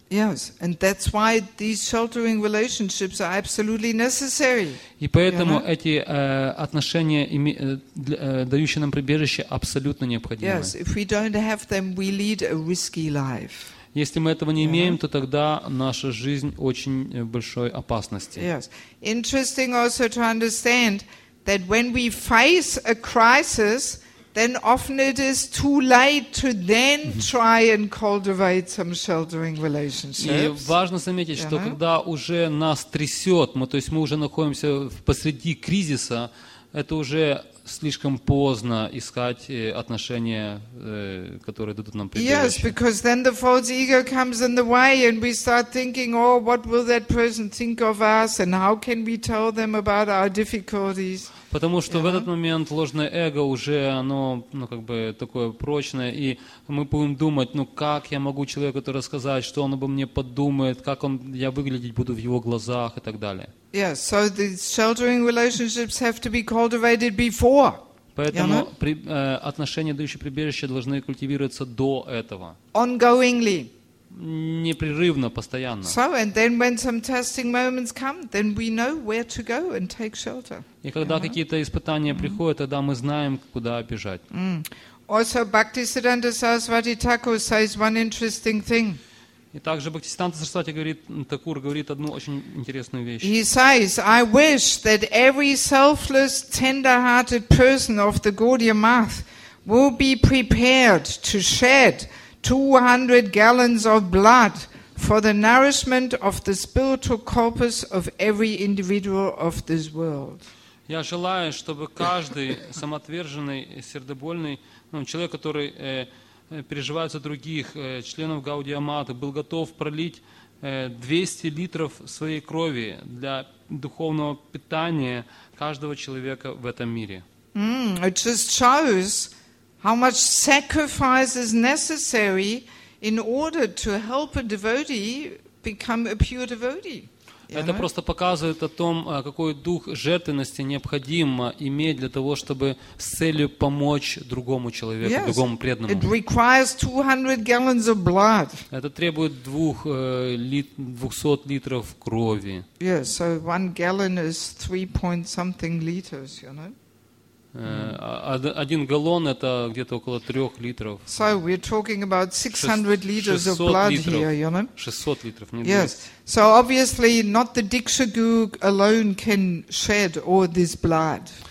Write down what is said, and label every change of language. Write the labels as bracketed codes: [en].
[en] Yes, and that's why these sheltering relationships are absolutely necessary. [ru] И поэтому эти отношения, дающие нам прибежище, абсолютно необходимы. [en] Yes, if we don't have them, we lead a risky life. [ru] Если мы этого не имеем, то тогда наша жизнь очень в большой опасности. [en] Yes. Interesting also to understand that when we face a crisis, then often it is too late to then try and cultivate some sheltering relationships. [ru] И важно заметить, что когда уже нас трясет, то есть мы уже находимся посреди кризиса, это уже слишком поздно искать отношения, которые дадут нам прибежище. [en] Yes, because then the false ego comes in the way and we start thinking, oh, what will that person think of us and how can we tell them about our difficulties? [ru] Потому что в этот момент ложное эго уже, оно, как бы такое прочное, и мы будем думать, как я могу человеку это рассказать, что он обо мне подумает, как он, я выглядеть буду в его глазах и так далее. [en] Yes, so the sheltering relationships have to be cultivated before. [ru] Поэтому отношения, дающие прибежище, должны культивироваться до этого. [en] Ongoingly. [ru] Непрерывно, постоянно. [en] So, and then when some testing moments come, then we know where to go and take shelter. [ru] И когда какие-то испытания приходят, тогда мы знаем, куда бежать. [en] Also, Bhaktisiddhanta Saraswati Thakur says one interesting thing. [ru] И также Бхактисиддханта Сарасвати говорит, Такур говорит одну очень интересную вещь. [en] He says, I wish that every selfless, tender-hearted person of the Gaudiya Math will be prepared to shed 200 gallons of blood for the nourishment of the spiritual corpus of every individual of this world. [ru] Я желаю, чтобы каждый самоотверженный, сердобольный, человек, который переживает за других членов Гаудия Матха, был готов пролить 200 литров своей крови для духовного питания каждого человека в этом мире. [en] It just shows how much sacrifice is necessary in order to help a devotee become a pure devotee. [ru] Это просто показывает о том, какой дух жертвенности необходимо иметь для того, чтобы с целью помочь другому человеку, [en] yes, [ru] другому преданному. [en] It requires 200 gallons of blood. [ru] Это требует 200 литров крови. [en] Yes, so one gallon is 3-point-something liters, [ru] Один галлон это где-то около 3 литров. [en] So we're talking about 600 liters of blood here, [ru] 600 литров, не [en] 200. Yes. So obviously not the Diksha Guru alone can shed all this blood.